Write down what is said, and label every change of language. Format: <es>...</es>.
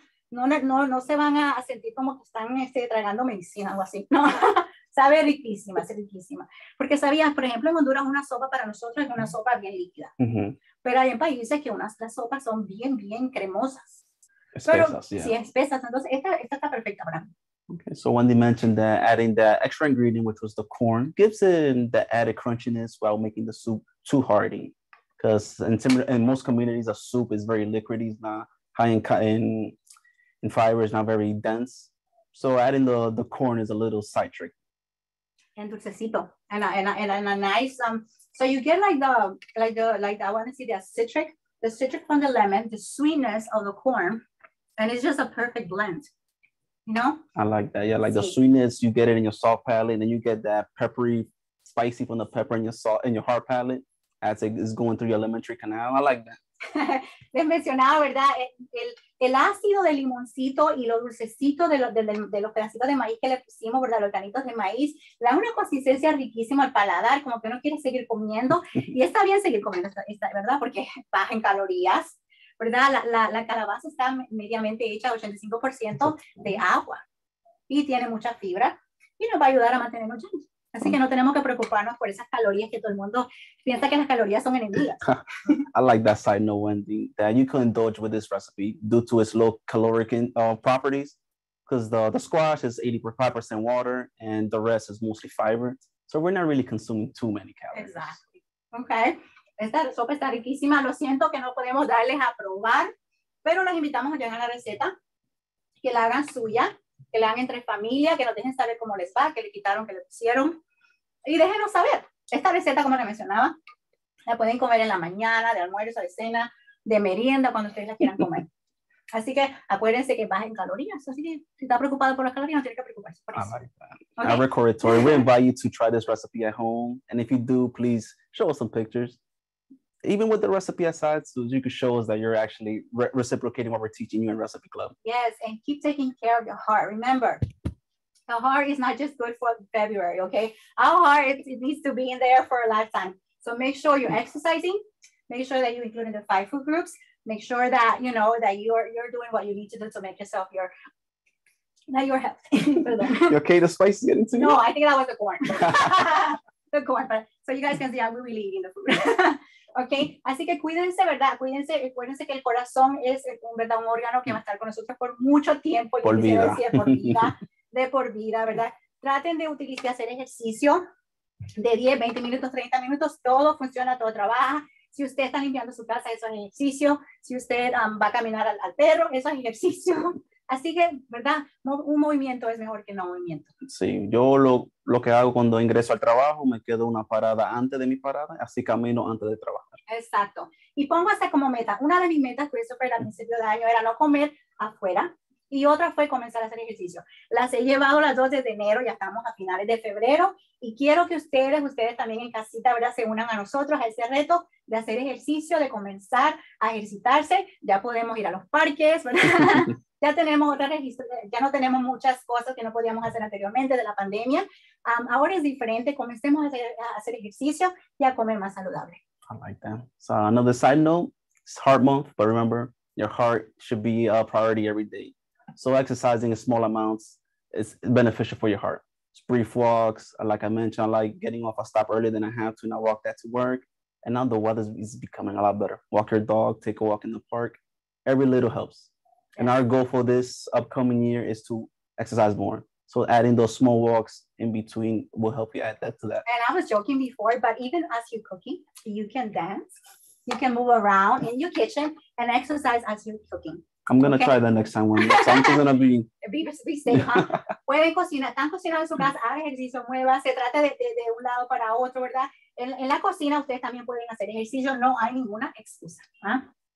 <es>No se van a sentir como que están tragando medicina o así. No. Sabe riquísima, es riquísima. Porque sabías, por ejemplo, en Honduras una sopa para nosotros es una sopa bien líquida. Uh-huh. Pero hay en países que las sopas son bien, bien cremosas. Espesas. Entonces, esta está perfecta para mí.</es> <en>Okay, so Wendy mentioned that adding that extra ingredient, which was the corn, gives it the added crunchiness while making the soup too hearty. because in most communities, a soup is very liquidy. It's not high in fiber. It's not very dense. So adding the corn is a little side trick. And dulcecito, and a nice so you get like the I want to see the citric from the lemon, the sweetness of the corn, and it's just a perfect blend, you know. I like that. Yeah, like the sweetness, you get it in your salt palate, and then you get that peppery, spicy from the pepper in your salt in your heart palate as it is going through your lemon tree canal. I like that.</en> <es>Les mencionaba, verdad, el ácido del limoncito y lo dulcecito de los pedacitos de maíz que le pusimos, verdad, los granitos de maíz, da una consistencia riquísima al paladar, como que uno quiere seguir comiendo, y está bien seguir comiendo, está, verdad, porque baja en calorías, verdad, la calabaza está mediamente hecha 85% de agua, y tiene mucha fibra, y nos va a ayudar a mantenernos llenos. Así que no tenemos que preocuparnos por esas calorías que todo el mundo piensa que las calorías son enemigas.</es> <en>I like that side note, Wendy, that you can indulge with this recipe due to its low caloric properties, because the squash is 85% water and the rest is mostly fiber. So we're not really consuming too many calories. Exactly. Okay.</en> <es>Esta sopa está riquísima. Lo siento que no podemos darles a probar, pero los invitamos a llegar a la receta, que la hagan suya. Que le hagan entre familia, que nos dejen saber cómo les va, que le quitaron, que le pusieron. Y déjenos saber. Esta receta, como le mencionaba, la pueden comer en la mañana, de almuerzo, de cena, de merienda, cuando ustedes la quieran comer. Así que acuérdense que bajen calorías. Así que si está preocupado por las calorías, no tiene que preocuparse por eso.</es> <en>Okay. I record it, Tori. We invite you to try this recipe at home. And if you do, please show us some pictures. Even with the recipe aside, so you can show us that you're actually reciprocating what we're teaching you in Recipe Club. Yes, and keep taking care of your heart. Remember, the heart is not just good for February, okay? Our heart, it needs to be in there for a lifetime. So make sure you're exercising. Make sure that you include in the five food groups. Make sure that, you know, that you're doing what you need to do to make yourself your... Not your health. You okay? The spice is getting to you? No, I think that was the corn. The corn, but so you guys can see I'm really eating the food.</en> <es>Okay, así que cuídense, ¿verdad? Cuídense, acuérdense que el corazón es un órgano que va a estar con nosotros por mucho tiempo. Por vida. Decir, por vida, ¿verdad? Traten de utilizar, hacer ejercicio de 10, 20 minutos, 30 minutos. Todo funciona, todo trabaja. Si usted está limpiando su casa, eso es ejercicio. Si usted va a caminar al perro, eso es ejercicio. Así que, ¿verdad? Un movimiento es mejor que no movimiento. Sí, yo lo que hago cuando ingreso al trabajo, me quedo una parada antes de mi parada, así camino antes de trabajar. Exacto. Y pongo hasta como meta. Una de mis metas, por eso fue al principio de año, era no comer afuera. Y otra fue comenzar a hacer ejercicio. Las he llevado las dos desde enero, ya estamos a finales de febrero. Y quiero que ustedes también en casita, ¿verdad? Se unan a nosotros a ese reto de hacer ejercicio, de comenzar a ejercitarse. Ya podemos ir a los parques, ¿verdad? Ya tenemos otra registro, ya no tenemos muchas cosas que no podíamos hacer anteriormente de la pandemia. Ahora es diferente, comencemos a hacer ejercicio y a comer más saludable.</es> <en>I like that. So another side note, it's heart month, but remember, your heart should be a priority every day. So exercising in small amounts is beneficial for your heart. It's brief walks, like I mentioned, I like getting off a stop earlier than I have to, and I walk that to work. And now the weather is becoming a lot better. Walk your dog, take a walk in the park. Every little helps. And our goal for this upcoming year is to exercise more. So adding those small walks in between will help you add that to that. And I was joking before, but even as you're cooking, you can dance, you can move around in your kitchen and exercise as you're cooking. I'm going to try that next time. Something's going to be... Be safe, huh?</en> <es>Pueden cocinar, están cocinando en su casa, haga ejercicio, mueva, se trata de un lado para otro, ¿verdad? En la cocina, ustedes también pueden hacer ejercicio, no hay ninguna excusa, ¿ah?</es>